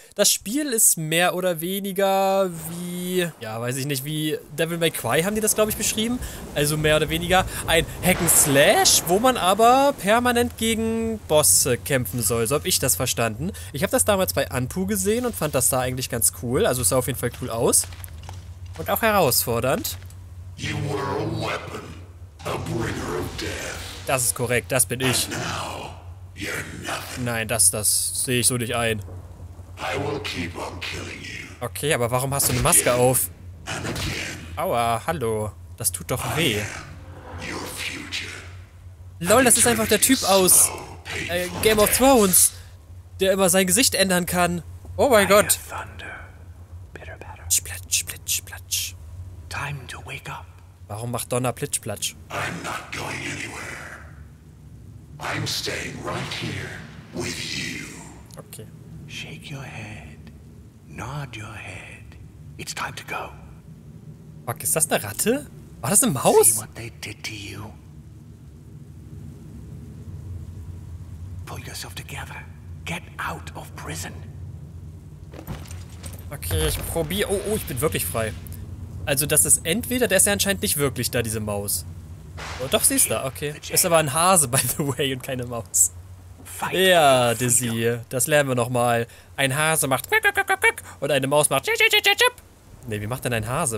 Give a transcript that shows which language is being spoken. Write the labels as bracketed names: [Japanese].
[German] Das Spiel ist mehr oder weniger wie, ja, weiß ich nicht, wie Devil May Cry haben die das, glaube ich, beschrieben. Also mehr oder weniger ein Hack'n'Slash, wo man aber permanent gegen Bosse kämpfen soll. So habe ich das verstanden. Ich habe das damals bei Anpu gesehen und fand das da eigentlich ganz cool. Also sah auf jeden Fall cool aus. Und auch herausfordernd. [English] You were a weapon, a bringer of death. [German] Das ist korrekt, das bin ich. Nein, das sehe ich so nicht ein. Okay, aber warum hast du eine Maske auf? Aua, hallo. Das tut doch weh. Lol, das ist einfach der Typ aus Game of Thrones, der immer sein Gesicht ändern kann. Oh mein Gott. Splatsch, splatsch, splatsch. [English] Time to wake up. [German] Warum macht Donner Plitschplatsch? [English] I'm staying right here with you. Okay. Shake your head. Nod your head. It's time to go. [German] Fuck, ist das eine Ratte? War das eine Maus? [English] See what they did to you. Pull yourself together. Get out of prison. [German] Okay, ich probiere. Oh, ich bin wirklich frei. Also das ist entweder, der ist ja anscheinend nicht wirklich da, diese Maus. Oh, doch, sie ist da, okay. Ist aber ein Hase, [English] by the way, [German] und keine Maus. Ja, Dizzy, das lernen wir nochmal. Ein Hase macht und eine Maus macht. Nee, wie macht denn ein Hase?